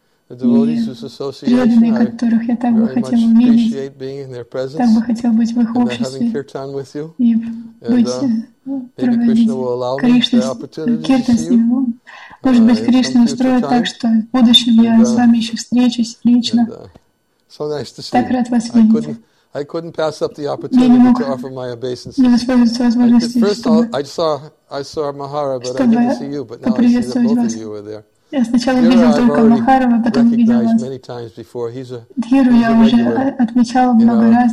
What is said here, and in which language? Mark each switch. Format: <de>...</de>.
<ru>И преданные, которых я так бы хотел увидеть, так бы хотел быть в их обществе и быть Кришна с ними. Может быть, Кришна устроит так, что в будущем я с вами еще встречусь лично. Так рад вас видеть.</ru> <en>I couldn't pass up the opportunity to offer my obeisances. I saw Mahara, but I didn't see you. But now I see that both of you were there.</en> <ru>Я сначала видел только Махарова, потом видел вас. Дхиру я уже отмечал много раз.</ru>